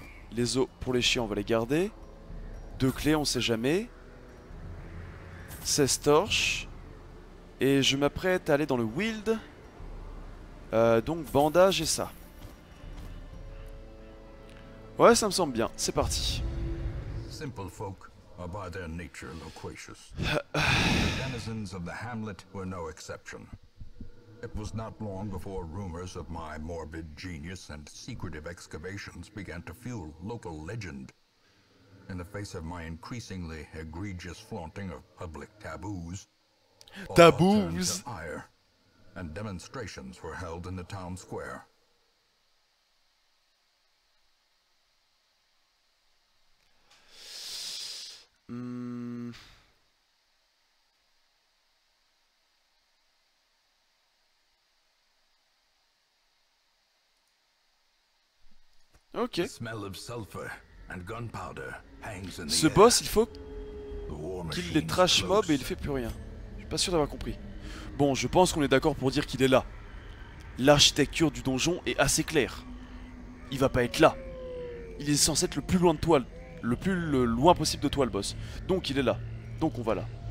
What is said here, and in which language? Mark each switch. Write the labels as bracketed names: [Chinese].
[French] Les os pour les chiens, on va les garder. Deux clés, on sait jamais. 16 torches. Et je m'apprête à aller dans le wild. Donc bandage et ça. Ouais, ça me semble bien. C'est parti. [English] Simple folk, are by their nature loquacious. The denizens of the hamlet were no exception. It was not long before rumors of my morbid genius and secretive excavations began to fuel local legend. In the face of my increasingly egregious flaunting of public taboos, taboos ire, and demonstrations were held in the town square. Okay. The smell of sulfur and gunpowder hangs in the [French] Ce boss, il faut qu'il les trash mob et il fait plus rien. Je suis pas sûr d'avoir compris. Bon, je pense qu'on est d'accord pour dire qu'il est là. L'architecture du donjon est assez claire. Il va pas être là. Il est censé être le plus loin de toi, le plus loin possible de toi, le boss. Donc il est là. Donc on va là.